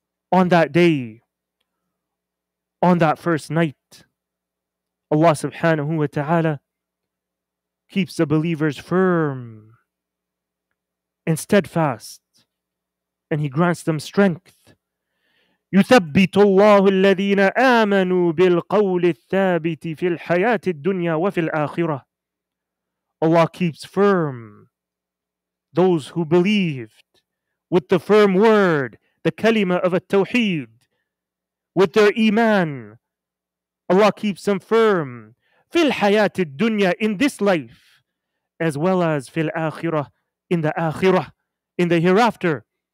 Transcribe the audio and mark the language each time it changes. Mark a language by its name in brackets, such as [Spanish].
[English] On that day, on that first night, Allah subhanahu wa ta'ala keeps the believers firm and steadfast and he grants them strength. [Arabic] يثبت الله الذين آمنوا بالقول الثابت في الحياة الدنيا وفي الآخرة. [English] Allah keeps firm those who believed with the firm word, the kalima of at-tawheed, with their iman. Allah keeps them firm [Arabic] في الحياة الدنيا, [English] in this life, as well as [Arabic] في الآخرة, [English] in the akhirah, in the hereafter.